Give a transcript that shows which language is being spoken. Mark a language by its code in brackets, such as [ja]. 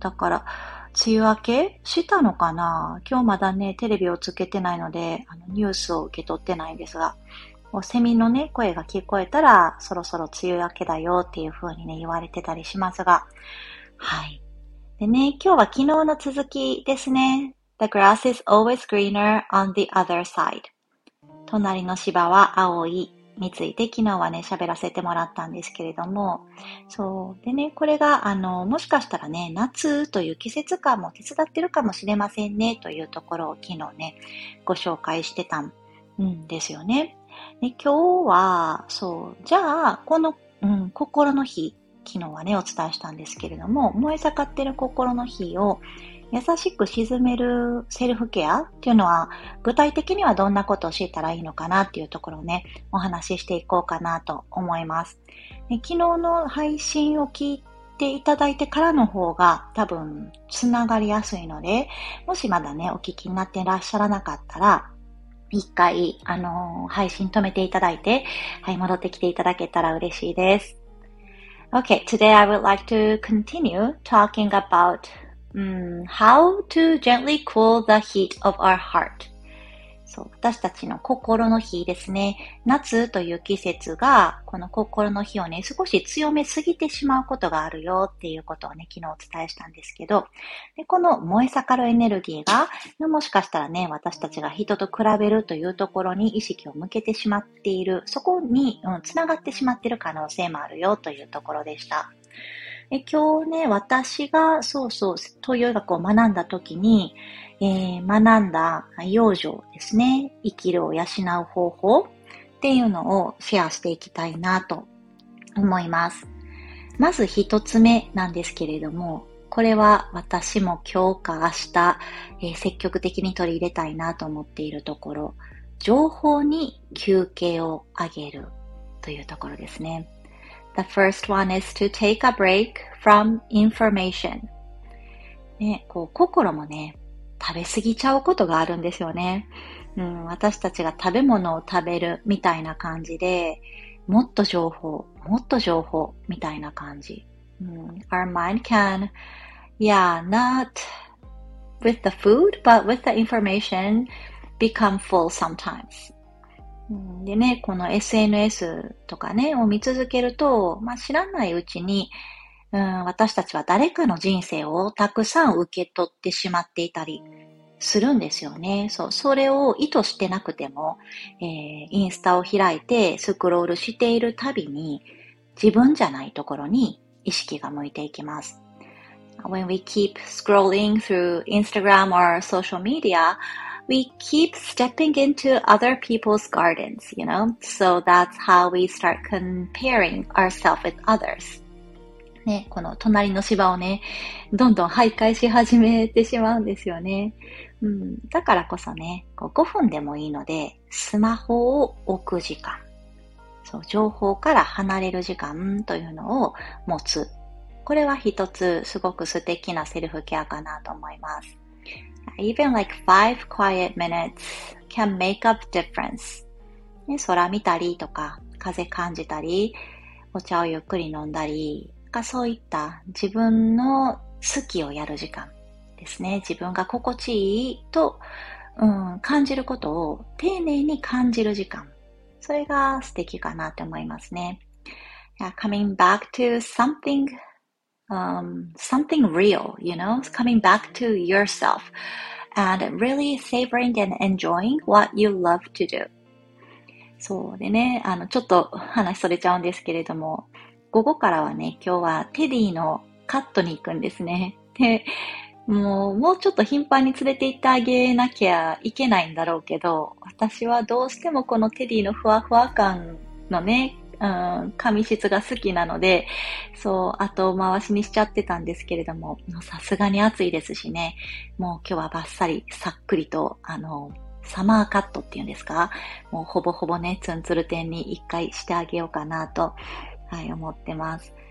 [ja] だから、梅雨明けしたのかな？今日まだね、テレビをつけてないので、ニュースを受け取ってないんですが。セミのね、声が聞こえたら、そろそろ梅雨明けだよっていう風にね、言われてたりしますが。はい。でね、今日は昨日の続きですね。 [en] The grass is always greener on the other side. [ja] 隣の芝は青いについて昨日はね、喋らせてもらったんですけれども。そう。でね、これがもしかしたらね、夏という季節感も手伝ってるかもしれませんね、というところを昨日ね、ご紹介してたんですよね。で今日は、そう、じゃあ、この、心の日、昨日はね、お伝えしたんですけれども、燃え盛ってる心の日を優しく沈めるセルフケアっていうのは、具体的にはどんなことをしたらいいのかなっていうところをね、お話ししていこうかなと思います。で昨日の配信を聞いていただいてからの方が、多分、つながりやすいので、もしまだね、お聞きになっていらっしゃらなかったら、一回、配信止めていただいて、はい、戻ってきていただけたら嬉しいです。 [en] Okay, today I would like to continue talking about, how to gently cool the heat of our heart. [ja] そう、私たちの心の火ですね。夏という季節が、この心の火をね、少し強めすぎてしまうことがあるよっていうことをね、昨日お伝えしたんですけど、でこの燃え盛るエネルギーが、もしかしたらね、私たちが人と比べるというところに意識を向けてしまっている、そこに、繋がってしまっている可能性もあるよというところでした。で今日ね、私が、そうそう、東洋医学を学んだ時に、学んだ養生ですね、生きるを養う方法っていうのをシェアしていきたいなと思います。まず一つ目なんですけれども、これは私も今日か明日、積極的に取り入れたいなと思っているところ、情報に休憩をあげるというところですね。 [en] The first one is to take a break from information. [ja] ね、こう、心もね、食べ過ぎちゃうことがあるんですよね。私たちが食べ物を食べるみたいな感じで、もっと情報、もっと情報みたいな感じ。 [en] Our mind can, not with the food, but with the information, become full sometimes. [ja] でね、この SNS とかね、を見続けると、まあ知らないうちに、私たちは誰かの人生をたくさん受け取ってしまっていたりするんですよね。そう、それを意図してなくても、インスタを開いてスクロールしているたびに、自分じゃないところに意識が向いていきます。 [en] When we keep scrolling through Instagram or social media,We keep stepping into other people's gardens, you know? So that's how we start comparing ourselves with others. [ja] ね、この隣の芝をね、どんどん徘徊し始めてしまうんですよね。だからこそね、こう5分でもいいので、スマホを置く時間、そう、情報から離れる時間というのを持つ。これは一つすごく素敵なセルフケアかなと思います。 [en] Even like 5 quiet minutes can make up difference.、 [ja] ね、空見たりとか、風感じたり、お茶をゆっくり飲んだり、かそういった自分の好きをやる時間ですね。自分が心地いいと、感じることを丁寧に感じる時間。それが素敵かなって思いますね。 [en] Yeah, coming back to somethingsomething real, you know, coming back to yourself and really savoring and enjoying what you love to do. [ja] そうでね、ちょっと話それちゃうんですけれども、午後からはね、今日はテディのカットに行くんですね。で、もうちょっと頻繁に連れて行ってあげなきゃいけないんだろうけど、私はどうしてもこのテディのふわふわ感のね、髪質が好きなので、そう、後回しにしちゃってたんですけれども、さすがに暑いですしね、もう今日はバッサリ、さっくりと、サマーカットっていうんですか、もうほぼほぼね、ツンツル店に一回してあげようかなと、はい、思ってます。